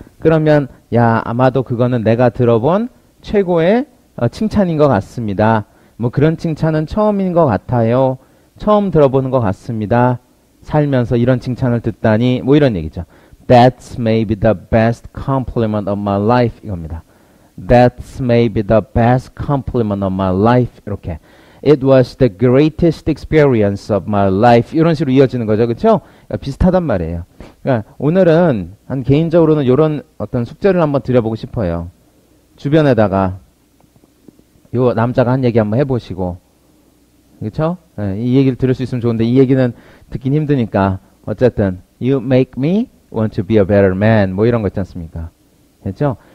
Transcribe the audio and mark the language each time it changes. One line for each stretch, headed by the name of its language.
Korean: 그러면 야 아마도 그거는 내가 들어본 최고의 칭찬인 것 같습니다. 뭐 그런 칭찬은 처음인 것 같아요. 처음 들어보는 것 같습니다. 살면서 이런 칭찬을 듣다니 뭐 이런 얘기죠.
English: That's maybe the best compliment of my life
Korean: 이겁니다.
English: That's maybe the best compliment of my life
Korean: 이렇게.
English: It was the greatest experience of my life
Korean: 이런 식으로 이어지는 거죠. 그렇죠? 그러니까 비슷하단 말이에요. 그러니까 오늘은 한 개인적으로는 이런 어떤 숙제를 한번 드려보고 싶어요. 주변에다가 요 남자가 한 얘기 한번 해보시고 그쵸? 예, 이 얘기를 들을 수 있으면 좋은데 이 얘기는 듣긴 힘드니까 어쨌든
English: You make me want to be a better man
Korean: 뭐 이런 거 있지 않습니까? 그렇죠?